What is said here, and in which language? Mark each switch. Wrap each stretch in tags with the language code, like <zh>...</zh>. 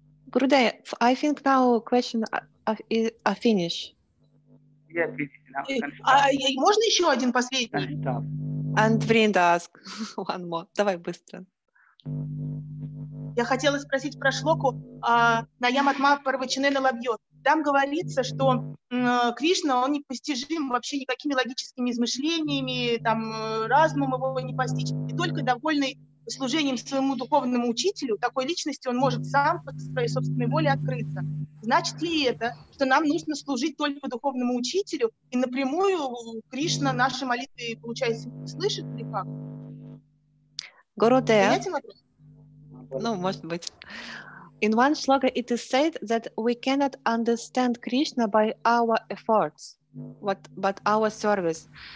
<en>Gurudev, I think now question is a finish.</en> <ru>Yeah, можно еще один последний?</ru> <en>And Vrinda ask one more.</en> <ru>Давай быстро. Я хотела спросить про шлоку Наям Атма Парвачинена Лабьет. Там говорится, что Кришна, он непостижим вообще никакими логическими измышлениями, там разумом его не постичь. И только довольный служением своему духовному учителю, такой личности, он может сам по своей собственной воле открыться. Значит ли это, что нам нужно служить только духовному учителю, и напрямую Кришна наши молитвы, получается, не слышит или как?</ru> <en>Gurudev.</en> <ru>Понятен вопрос? Ну, может быть.</ru> <en>In one shloka it is said that we cannot understand Krishna by our efforts, but our service.</en>